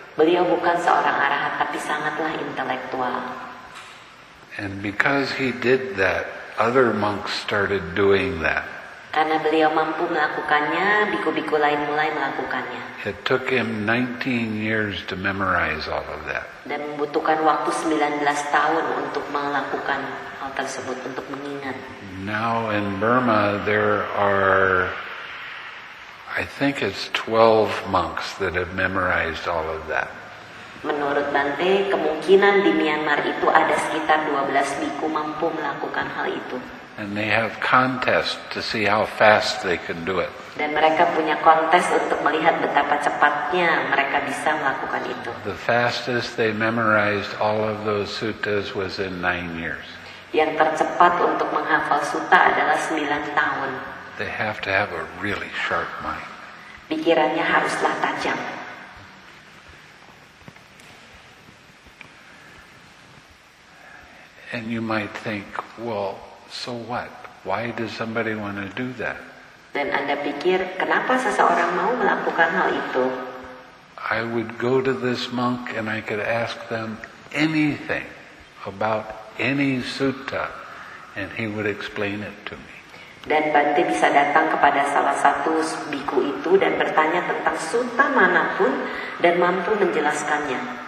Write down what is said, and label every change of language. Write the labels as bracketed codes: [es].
[id] Beliau bukan seorang arahat, tapi sangatlah intelektual. [en] And because he did that, other monks started doing that. [id] Karena beliau mampu melakukannya, biku-biku lain mulai melakukannya. [en] It took him 19 years to memorize all of that. [id] Dan membutuhkan waktu 19 tahun untuk melakukan hal tersebut, untuk mengingat. [en] Now in Burma there are, I think it's 12 monks that have memorized all of that. [id] Menurut Bante, kemungkinan di Myanmar itu ada sekitar 12 biku mampu melakukan hal itu. [en] And they have contest to see how fast they can do it. [id] Dan mereka punya kontes untuk melihat betapa cepatnya mereka bisa melakukan itu. [en] The fastest they memorized all of those suttas was in 9 years. [id] Yang tercepat untuk menghafal sutta adalah 9 tahun. [en] They have to have a really sharp mind. [id] Pikirannya haruslah tajam. [en] And you might think, well, so what? Why does somebody want to do that? [id] Dan Anda pikir, kenapa seseorang mau melakukan hal itu? [en] I would go to this monk and I could ask them anything about any sutta and he would explain it to me. [id] Dan Bante bisa datang kepada salah satu biku itu dan bertanya tentang sutta manapun dan mampu menjelaskannya.